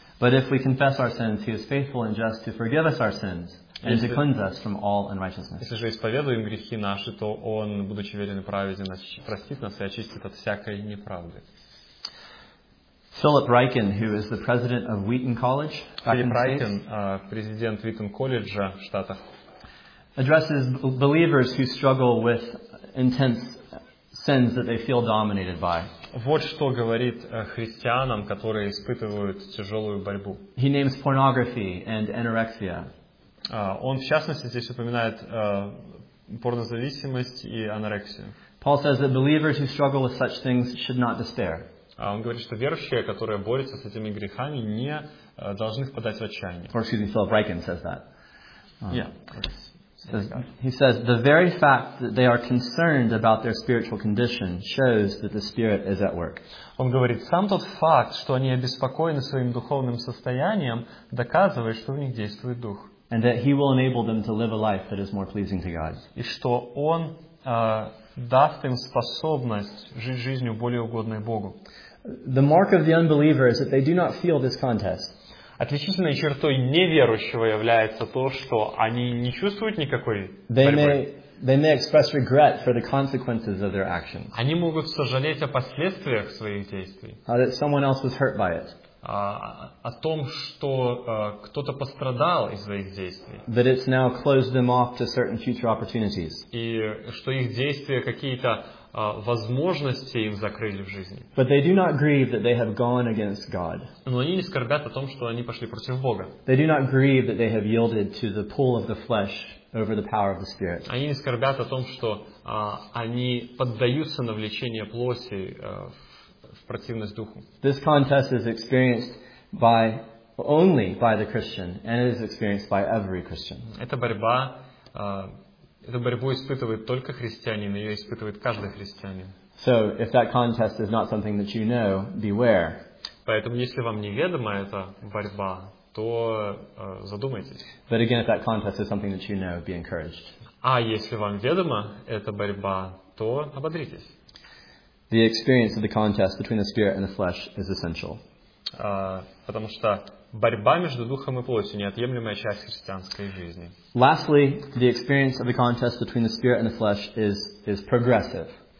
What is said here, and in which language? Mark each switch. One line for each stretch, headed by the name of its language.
English: But if we confess our sins, he is faithful and just to forgive us our sins and to cleanse us from all unrighteousness.
Russian: Если же исповедуем грехи наши, то он, будучи верен и праведен, простит нас и очистит от всякой неправды.
English: Philip Ryken, who is the president of Wheaton College,
Russian: Philip Ryken, президент Wheaton College в Штатах,
English: addresses believers who struggle with intense sins that they feel dominated by.
Russian: Вот что говорит христианам, которые испытывают тяжелую борьбу.
English: He names pornography and anorexia.
Russian: Он, в частности, здесь упоминает порнозависимость и анорексию.
English: Paul says that believers who struggle with such things should not despair.
Russian: Он говорит, что верующие, которые борются с этими грехами, не должны впадать в отчаяние.
English: Or, excuse me, Philip Ryken says that. Yeah. He says the very fact that they are concerned about their spiritual condition shows that the Spirit is at work.
Russian: Он говорит, сам тот факт, что они обеспокоены своим духовным состоянием, доказывает, что в них действует Дух.
English: And that He will enable them to live a life that is more pleasing to God.
Russian: И что Он даст им способность жить жизнью более угодной Богу.
English: The mark of the unbeliever is that they do not feel this contest.
Russian: Отличительной чертой неверующего является то, что они не чувствуют никакой борьбы.
English: They may express regret for the consequences of their actions.
Russian: Они могут сожалеть о последствиях своих действий.
English: That someone else was hurt by it.
Russian: о том, что кто-то пострадал из-за их действий.
English: That it's now closed them off to certain future opportunities.
Russian: И что их действия какие-то возможности им закрыли в жизни.
English: But they do not grieve that they have gone against God.
Russian: Но они не скорбят о том, что они пошли против Бога.
English: They do not grieve that they have yielded to the pull of the flesh over the power of the Spirit.
Russian: Они не скорбят о том, что они поддаются на влечение плоти в противность духу.
English: This contest is experienced by only by the Christian, and it is experienced by every Christian.
Russian: Эту борьбу испытывает только христианин, ее испытывает каждый христианин.
English: So, if that contest is not something that you know, beware.
Russian: Поэтому, если вам неведома эта борьба, то задумайтесь.
English: But again, if that contest is something that you know, be encouraged.
Russian: А если вам ведома эта борьба, то ободритесь.
English: The experience of the contest between the spirit and the flesh is essential.
Russian: Потому что борьба между духом и плотью — неотъемлемая часть христианской жизни.
English: Lastly, the experience of the contest between the spirit and the flesh is progressive.